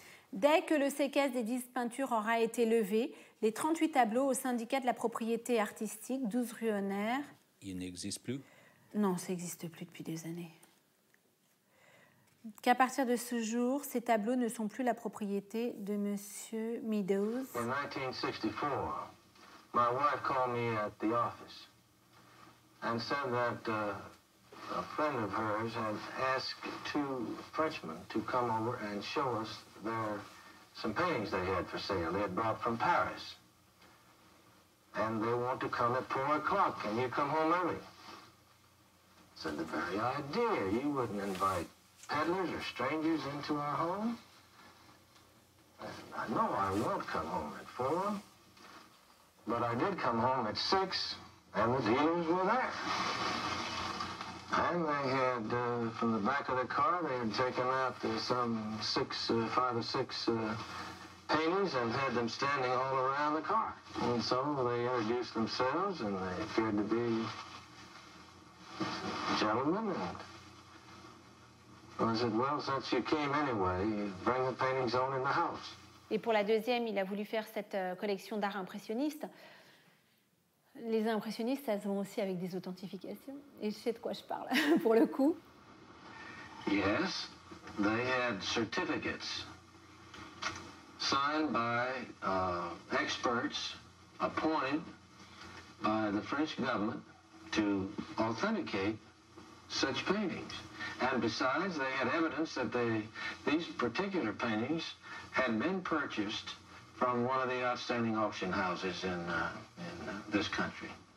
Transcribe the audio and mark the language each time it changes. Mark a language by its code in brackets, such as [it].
[fr] Dès que le séquestre des 10 peintures aura été levé, les 38 tableaux au syndicat de la propriété artistique, 12 rue Honner... Il n'existe plus? Non, ça n'existe plus depuis des années. Qu'à partir de ce jour, ces tableaux ne sont plus la propriété de M. Meadows. [en] In 1964, my wife called me at the office and said that a friend of hers had asked two Frenchmen to come over and show us their some paintings they had for sale. They had brought from Paris. And they want to come at 4 o'clock, and you come home early. Said, the very idea. You wouldn't invite peddlers or strangers into our home. And I know I won't come home at 4, but I did come home at 6, and the dealers were there. And they had, from the back of the car, they had taken out five or six paintings and had them standing all around the car. And so they introduced themselves, and they appeared to be gentlemen. And I said, well, since you came anyway, bring the paintings on in the house. [fr] Et pour la deuxième, il a voulu faire cette collection d'art impressionniste. Les impressionnistes, ça se vend aussi avec des authentifications. Et je sais de quoi je parle, pour le coup. [en] Yes, they had certificates signed by experts appointed by the French government to authenticate such paintings. And besides, they had evidence that these particular paintings had been purchased from one of the outstanding auction houses in this country.